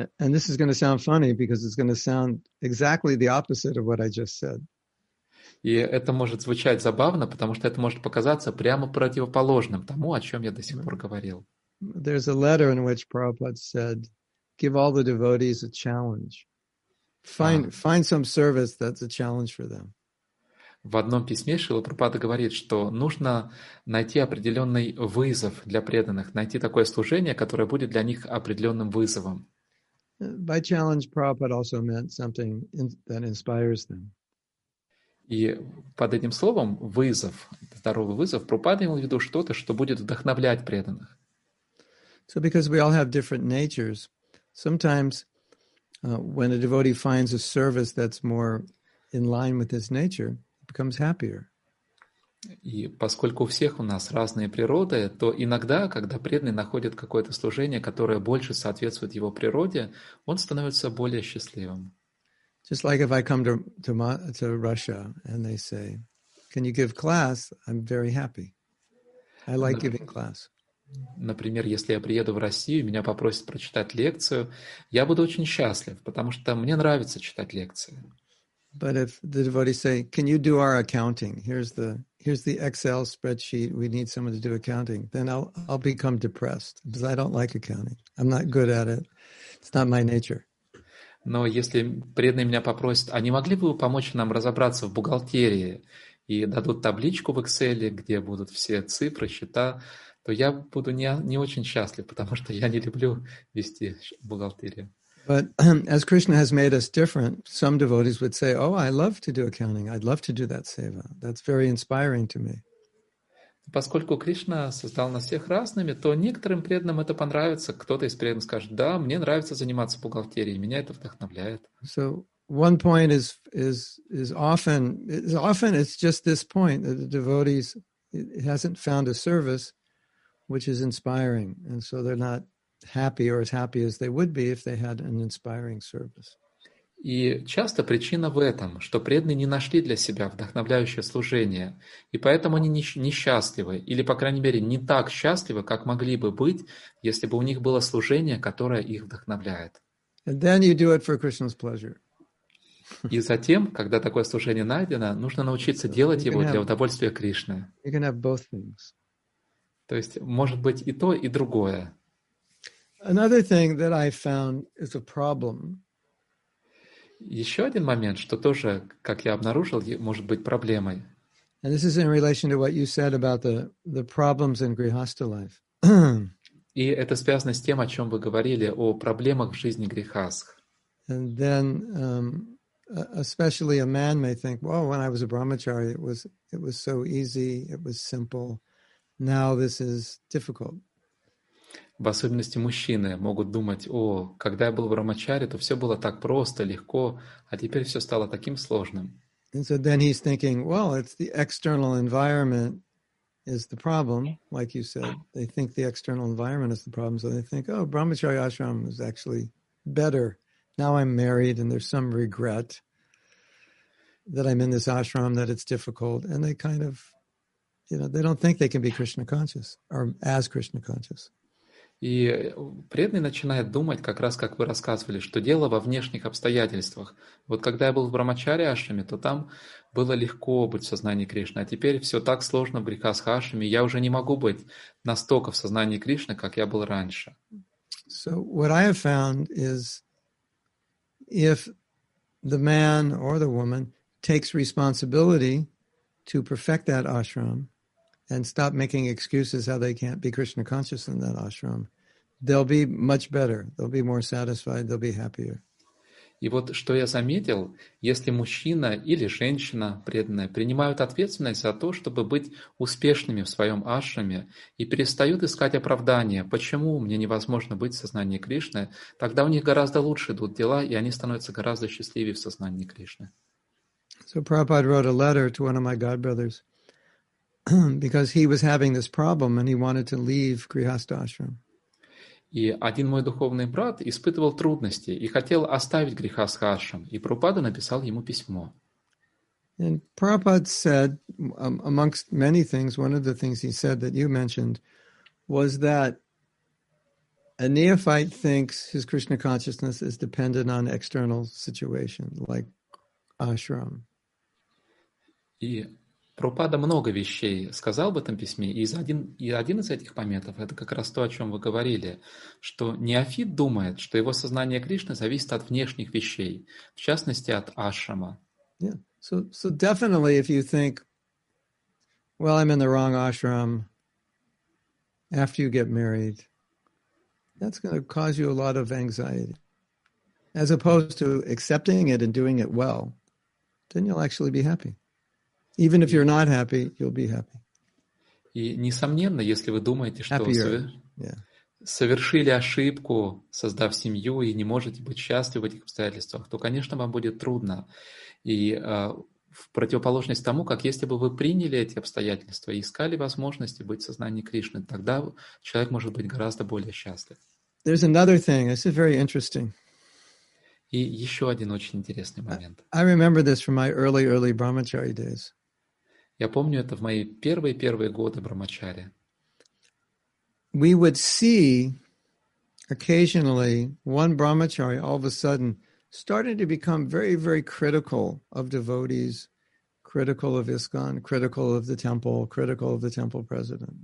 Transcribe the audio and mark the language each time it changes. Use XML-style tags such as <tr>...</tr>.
<en>And this is going to sound funny because it's going to sound exactly the opposite of what I just said.</en> <ru>И это может звучать забавно, потому что это может показаться прямо противоположным тому, о чем я до сих пор говорил.</ru> <en>There's a letter in which Prabhupada said, give all the devotees a challenge. Find some service that's a challenge for them.</en> <ru>В одном письме Шрила Прабхупада говорит, что нужно найти определенный вызов для преданных, найти такое служение, которое будет для них определенным вызовом.</ru> <en>By challenge, Prabhupada also meant something that inspires them.</en> <ru>И под этим словом вызов, здоровый вызов, Прабхупада имел в виду что-то, что будет вдохновлять преданных.</ru> <en>So because we all have different natures, sometimes when a devotee finds a service that's more in line with his nature, becomes happier.</en> <ru>И поскольку у всех у нас разные природы, то иногда, когда преданный находит какое-то служение, которое больше соответствует его природе, он становится более счастливым.</ru> <en>Just like if I come to Russia and they say, "Can you give class?" I'm very happy. I like giving class.</en> <ru>Например, если я приеду в Россию, меня попросят прочитать лекцию, я буду очень счастлив, потому что мне нравится читать лекции.</ru> <en>But if the devotees say, "Can you do our accounting? Here's the Excel spreadsheet. We need someone to do accounting." Then I'll become depressed because I don't like accounting. I'm not good at it. It's not my nature.</en> <ru>Но если преданные меня попросят, а не могли бы вы помочь нам разобраться в бухгалтерии и дадут табличку в Excel, где будут все цифры, счета, то я буду не очень счастлив, потому что я не люблю вести бухгалтерию.</ru> <en>But as Krishna has made us different, some devotees would say, "Oh, I love to do accounting. I'd love to do that seva. That's very inspiring to me."</en> <ru>Поскольку Кришна создал нас всех разными, то некоторым преданным это понравится. Кто-то из преданных скажет: "Да, мне нравится заниматься бухгалтерией, меня это вдохновляет."</ru> <en>So one point is often it's just this point that the devotees hasn't found a service which is inspiring, and so they're not happy or as happy as they would be if they had an inspiring service.</en> <ru>И часто причина в этом, что преданные не нашли для себя вдохновляющее служение, и поэтому они несчастливы, или, по крайней мере, не так счастливы, как могли бы быть, если бы у них было служение, которое их вдохновляет.</ru> <en>And then you do it for Krishna's pleasure.</en> <ru>И затем, когда такое служение найдено, нужно научиться делать его для удовольствия Кришны.</ru> <en>You can have both things.</en> <ru>То есть может быть и то, и другое.</ru> <en>Another thing that I found is a problem.</en> <ru>Еще один момент, что тоже, как я обнаружил, может быть проблемой.</ru> <en>And this is in relation to what you said about the problems in grihastha life.</en> <ru>И это связано с тем, о чем вы говорили, о проблемах в жизни грихастх.</ru> <en>And then, especially a man may think, "Well, when I was a brahmachari, it was so easy, it was simple. Now this is difficult."</en> <ru>В особенности мужчины могут думать: "О, когда я был в брахмачари, то все было так просто, легко, а теперь все стало таким сложным."</ru> <en>And so then he's thinking, "Well, it's the external environment is the problem, like you said." They think the external environment is the problem, so they think, "Oh, brahmachari ashram is actually better. Now I'm married and there's some regret that I'm in this ashram, that it's difficult." And they kind of, you know, they don't think they can be Krishna conscious or as Krishna conscious.</en> <ru>И преданный начинает думать, как раз как вы рассказывали, что дело во внешних обстоятельствах. Вот когда я был в брахмачари ашраме, то там было легко быть в сознании Кришны, а теперь все так сложно в грихастха ашраме, я уже не могу быть настолько в сознании Кришны, как я был раньше.</ru> <en>So what I have found is, if the man or the woman takes responsibility to perfect that ashram, and stop making excuses how they can't be Krishna conscious in that ashram, they'll be much better. They'll be more satisfied. They'll be happier.</en> <ru>И вот что я заметил, если мужчина или женщина преданная принимают ответственность за то, чтобы быть успешными в своем ашраме, и перестают искать оправдания, почему мне невозможно быть в сознании Кришны, тогда у них гораздо лучше идут дела, и они становятся гораздо счастливее в сознании Кришны.</ru> <en>So Prabhupada wrote a letter to one of my godbrothers, because he was having this problem and he wanted to leave grihastha ashram.</en> <ru>И один мой духовный брат испытывал трудности и хотел оставить грихастха ашрам, и Прабхупада написал ему письмо.</ru> <en>And Prabhupada said, amongst many things, one of the things he said that you mentioned was that a neophyte thinks his Krishna consciousness is dependent on external situation, like ashram.</en> <ru>Прабхупада много вещей сказал в этом письме, и один из этих моментов — это как раз то, о чем вы говорили, что неофит думает, что его сознание Кришны зависит от внешних вещей, в частности, от ашрама.</ru> <en>Yeah. So definitely, if you think, "Well, I'm in the wrong ashram," after you get married, that's going to cause you a lot of anxiety. As opposed to accepting it and doing it well, then you'll actually be happy. Even if you're not happy, you'll be happy.</en> <ru>И несомненно, если вы думаете, что совершили ошибку, создав семью, и не можете быть счастливы в этих обстоятельствах, то, конечно, вам будет трудно. И в противоположность тому, как если бы вы приняли эти обстоятельства и искали возможности быть в сознании Кришны, тогда человек может быть гораздо более счастлив.</ru> <en>There's another thing. This is very interesting.</en> <ru>И еще один очень интересный момент.</ru> <en>I remember this from my early brahmachari days.</en> <ru>Я помню это в мои первые годы брахмачари.</ru> <en>We would see occasionally one brahmachari all of a sudden starting to become very, very critical of devotees, critical of ISKCON, critical of the temple, critical of the temple president.</en>